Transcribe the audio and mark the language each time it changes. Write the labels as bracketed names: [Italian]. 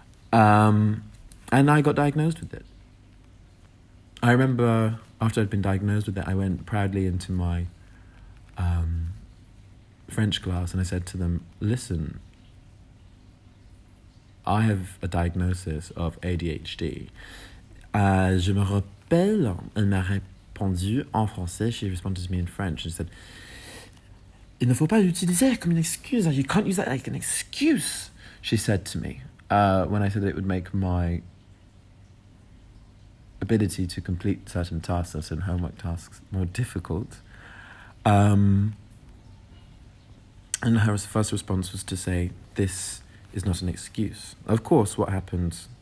[English] And I got diagnosed with it. I remember after I'd been diagnosed with it, I went proudly into my French class and I said to them, listen, I have a diagnosis of ADHD. [French] Je me rappelle, elle m'a répondu en français, [English] she responded to me in French and said, [French] il ne faut pas l'utiliser comme une excuse. [English] You can't use that like an excuse, she said to me, when I said that it would make my ability to complete certain tasks, certain homework tasks, more difficult. And her first response was to say, this is not an excuse. Of course, what happened